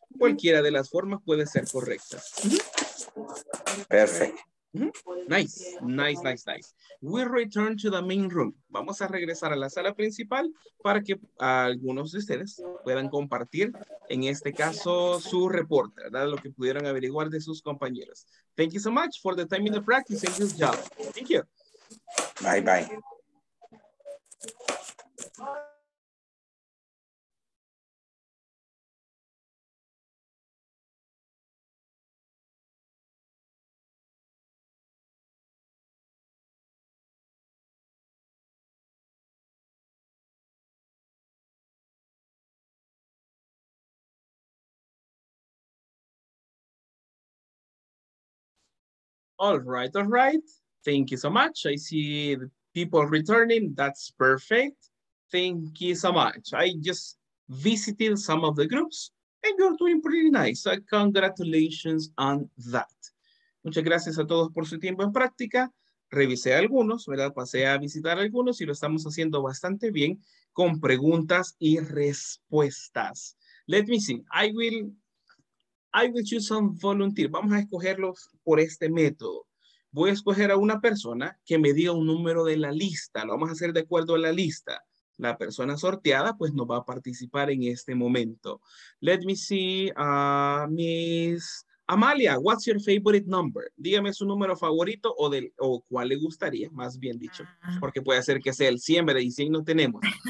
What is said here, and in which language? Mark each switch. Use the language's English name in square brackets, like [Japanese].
[Spanish] Cualquiera de las formas puede ser correcta. [English] Perfect. Nice. We return to the main room. [Spanish] Vamos a regresar a la sala principal para que algunos de ustedes puedan compartir, en este caso, su reporte, ¿verdad? Lo que pudieron averiguar de sus compañeros. [English] Thank you so much for the time in the practice and good job. Thank you. Bye bye. All right. Thank you so much. I see the people returning. That's perfect. Thank you so much. I just visited some of the groups and you're doing pretty nice. So congratulations on that. [Spanish] Muchas gracias a todos por su tiempo en práctica. Revisé algunos, ¿verdad? Pasé a visitar algunos y lo estamos haciendo bastante bien con preguntas y respuestas. [English] Let me see. I will choose some volunteer. [Spanish] Vamos a escogerlos por este método. Voy a escoger a una persona que me diga un número de la lista. Lo vamos a hacer de acuerdo a la lista. La persona sorteada, pues, no va a participar en este momento. [English] Let me see, Miss Amalia, what's your favorite number? [Spanish] Dígame su número favorito o cuál le gustaría, más bien dicho. Porque puede ser que sea el 100, ¿verdad? Y 100 no tenemos.